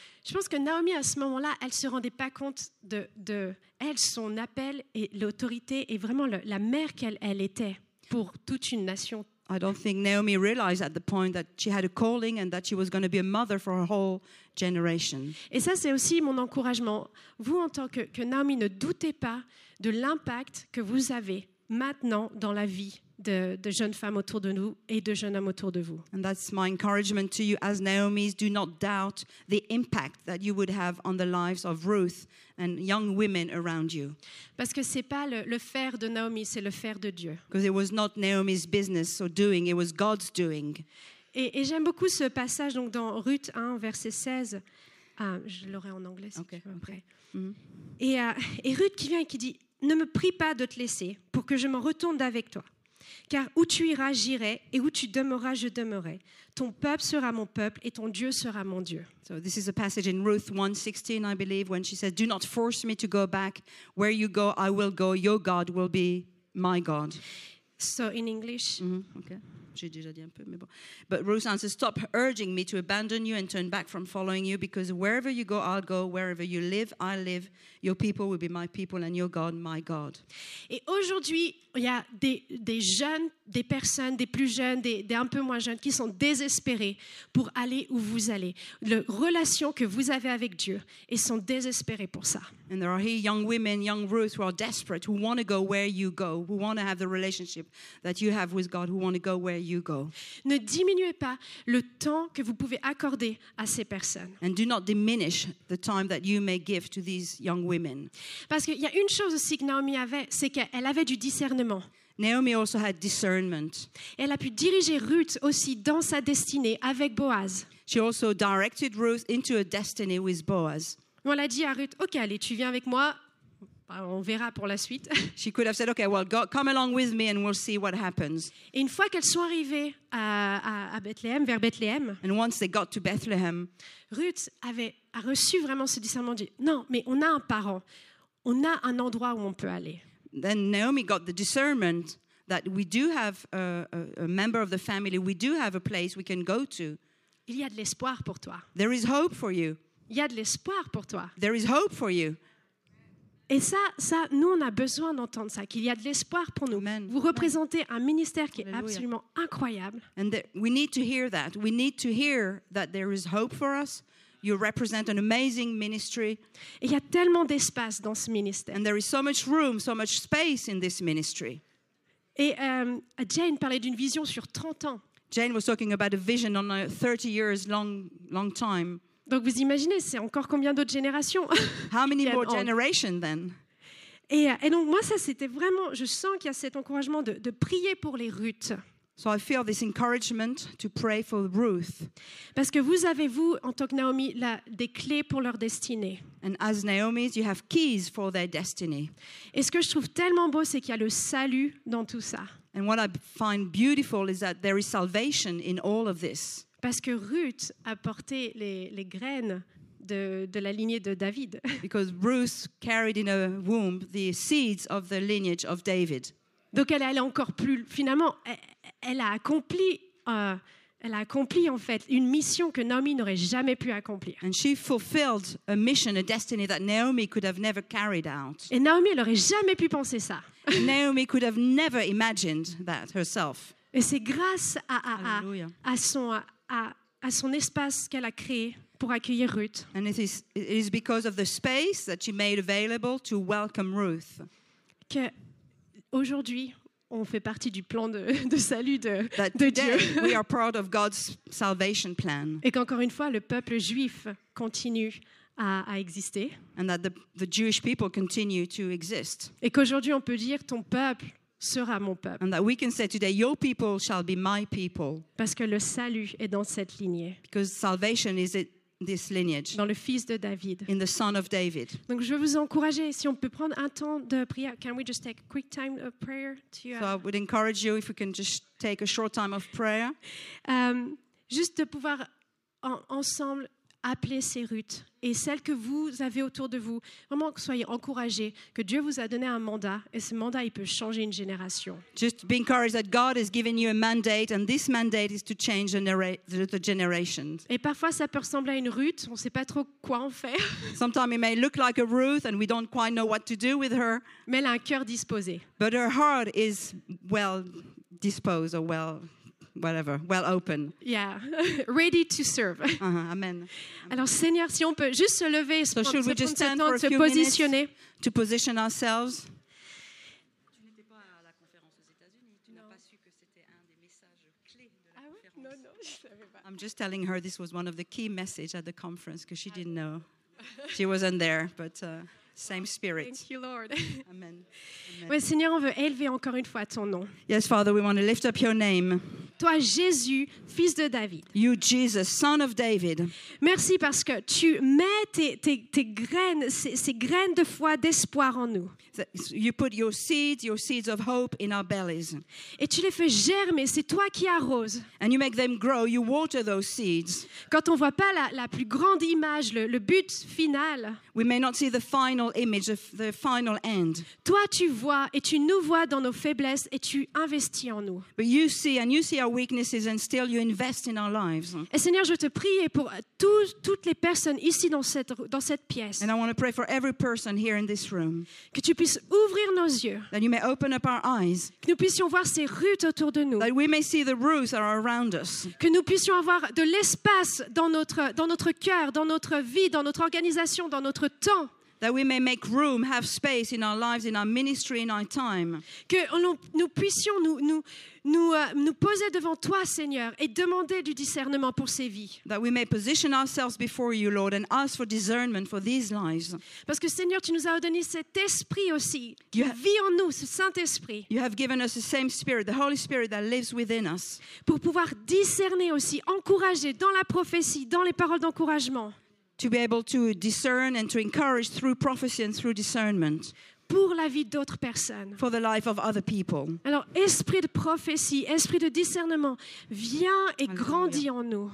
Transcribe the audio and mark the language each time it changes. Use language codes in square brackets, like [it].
[fr] Je pense que Naomi, à ce moment-là, elle ne se rendait pas compte de elle, son appel et l'autorité et vraiment la mère qu'elle elle était pour toute une nation. [en] I don't think Naomi realized at the point that she had a calling and that she was going to be a mother for her whole generation. [fr] Et ça, c'est aussi mon encouragement. Vous, en tant que Naomi, ne doutez pas de l'impact que vous avez maintenant dans la vie de jeunes femmes autour de nous et de jeunes hommes autour de vous. [en] And that's my encouragement to you as Naomi's. Do not doubt the impact that you would have on the lives of Ruth and young women around you. [fr] Parce que c'est pas le faire de Naomi, c'est le faire de Dieu. [en] Because it was not Naomi's business or doing, it was God's doing. [fr] Et j'aime beaucoup ce passage donc dans Ruth 1 verset 16. Je l'aurai en anglais si okay, tu veux okay. Après. Mm-hmm. Et Ruth qui vient et qui dit, ne me prie pas de te laisser pour que je m'en retourne avec toi. Car où tu iras, j'irai, et où tu demeuras, je demeurerai. Ton peuple sera mon peuple, et ton Dieu sera mon Dieu. [en] So this is a passage in Ruth 1:16, I believe, when she says, do not force me to go back. Where you go, I will go. Your God will be my God. So in English. [fr] Mm-hmm, okay. J'ai déjà dit un peu, mais bon. [en] But Ruth answers, stop urging me to abandon you and turn back from following you, because wherever you go, I'll go. Wherever you live, I live. Your people will be my people and your God, my God. [fr] Et aujourd'hui, il y a des jeunes, des personnes, des plus jeunes, des un peu moins jeunes qui sont désespérés pour aller où vous allez. La relation que vous avez avec Dieu, ils sont désespérés pour ça. [en] And there are here young women, young Ruth, who are desperate, who want to go where you go, who want to have the relationship that you have with God, who want to go where you go. [fr] Ne diminuez pas le temps que vous pouvez accorder à ces personnes. [en] And do not diminish the time that you may give to these young women. [fr] Parce qu'il y a une chose aussi que Naomi avait, c'est qu'elle avait du discernement. [en] Naomi also had discernment. [fr] Elle a pu diriger Ruth aussi dans sa destinée avec Boaz. [en] She also directed Ruth into a destiny with Boaz. [fr] On l'a dit à Ruth, ok, allez, tu viens avec moi, on verra pour la suite. [en] She could have said, okay, well, come along with me and we'll see what happens. [fr] Et une fois qu'elles sont arrivées à Bethléem, vers Bethléem, [en] and once they got to Bethlehem, [fr] Ruth a reçu vraiment ce discernement, dit, non, mais on a un parent, on a un endroit où on peut aller. [en] Then Naomi got the discernment that we do have a member of the family, we do have a place we can go to. [fr] Il y a de l'espoir pour toi. [en] There is hope for you. [fr] Il y a de l'espoir pour toi. [en] There is hope for you. [fr] Et ça, nous, on a besoin d'entendre ça, qu'il y a de l'espoir pour nous. Amen. Vous représentez Amen. Un ministère qui Alleluia. Est absolument incroyable. [en] And we need to hear that. We need to hear that there is hope for us. You represent an amazing ministry. [fr] Et il y a tellement d'espace dans ce ministère. [en] And there is so much room, so much space in this ministry. [fr] Et Jane parlait d'une vision sur 30 ans. [en] Jane was talking about a vision on a 30 years long time. [fr] Donc vous imaginez, c'est encore combien d'autres générations? [en] How many more generations then? [fr] Et donc moi ça c'était vraiment, je sens qu'il y a cet encouragement de prier pour les Ruth. [en] So I feel this encouragement to pray for Ruth. [fr] Parce que vous avez vous en tant que Naomi des clés pour leur destinée. [en] And as Naomi's, you have keys for their destiny. [fr] Et ce que je trouve tellement beau, c'est qu'il y a le salut dans tout ça. [en] And what I find beautiful is that there is salvation in all of this. [fr] Parce que Ruth a porté les graines de la lignée de David. [en] Because Ruth carried in her womb the seeds of the lineage of David. [fr] Donc elle est allée encore plus. Finalement, elle a accompli en fait une mission que Naomi n'aurait jamais pu accomplir. [en] And she fulfilled a mission, a destiny that Naomi could have never carried out. [fr] Et Naomi, elle n'aurait jamais pu penser ça. [en] Naomi could have never imagined that herself. [fr] Et c'est grâce à son espace qu'elle a créé pour accueillir Ruth. [en] And it is because of the space that she made available to welcome Ruth. [fr] Que aujourd'hui, on fait partie du plan de salut de Dieu. [en] We are part of God's salvation plan. [fr] Et qu'encore une fois, le peuple juif continue à exister. [en] And that the Jewish people continue to exist. [fr] Et qu'aujourd'hui, on peut dire, ton peuple sera mon peuple. [en] And that we can say today, your people shall be my people. [fr] Parce que le salut est dans cette lignée. [en] Because salvation is in this lineage. [fr] Dans le fils de David. [en] In the son of David. [fr] Donc je veux vous encourager, si on peut prendre un temps de prière. [en] Can we just take a quick time of prayer? So I would encourage you, if we can just take a short time of prayer. [fr] Juste de pouvoir ensemble appeler ces Ruth et celles que vous avez autour de vous. Vraiment, soyez encouragés que Dieu vous a donné un mandat et ce mandat, il peut changer une génération. [en] Just be encouraged that God has given you a mandate and this mandate is to change the generations. [fr] Et parfois, ça peut ressembler à une Ruth, on ne sait pas trop quoi en faire. [en] Sometimes it may look like a Ruth and we don't quite know what to do with her. [fr] Mais elle a un cœur disposé. [en] But her heart is well disposed or well... whatever, well open. Yeah, ready to serve. Uh-huh. Amen. [fr] Alors Seigneur, si on peut juste se lever, [en] so [fr] se prendre [en] just [fr] ce temps de se positionner. [en] To position ourselves. [fr] Tu n'étais pas à la conférence aux États-Unis. Tu n'as pas su que c'était un des messages clés de la conférence. Ah oui? Non, je savais pas. [en] I'm just telling her this was one of the key messages at the conference because she didn't know. She wasn't there, but... same spirit. Thank you, Lord. Amen. [fr] Oui, Seigneur, on veut élever encore une fois ton nom. [en] Yes, Father, we want to lift up your name. [fr] Toi, Jésus, fils de David. [en] You, Jesus, son of David. [fr] Merci parce que tu mets tes graines, ces graines de foi, d'espoir en nous. [en] You put your seeds of hope in our bellies. [fr] Et tu les fais germer, c'est toi qui arroses. [en] And you make them grow, you water those seeds. [fr] Quand on ne voit pas la plus grande image, le but final. [en] We may not see the final image, the final end. [fr] Toi, tu vois et tu nous vois dans nos faiblesses et tu investis en nous. [en] But you see and you see our weaknesses and still you invest in our lives. [fr] Et Seigneur, je te prie pour toutes les personnes ici dans cette pièce. [en] And I want to pray for every person here in this room. [fr] Que tu puisses ouvrir nos yeux. [en] That you may open up our eyes. [fr] Que nous puissions voir ces Ruth autour de nous. [en] That we may see the Ruths that are around us. [fr] Que nous puissions avoir de l'espace dans notre cœur, dans notre vie, dans notre organisation, dans notre temps. [en] That we may make room, have space in our lives, in our ministry, in our time. [fr] Que nous puissions nous poser devant toi, Seigneur, et demander du discernement pour ces vies. [en] That we may position ourselves before you, Lord, and ask for discernment for these lives. [fr] Parce que, Seigneur, tu nous as donné cet esprit aussi. Tu vis en nous, ce Saint-Esprit. [en] You have given us the same Spirit, the Holy Spirit that lives within us. [fr] Pour pouvoir discerner aussi, encourager dans la prophétie, dans les paroles d'encouragement. [en] To be able to discern and to encourage through prophecy and through discernment. [fr] Pour la vie d'autres personnes. [en] For the life of other people. [fr] Alors, esprit de prophétie, esprit de discernement, viens et grandis en nous.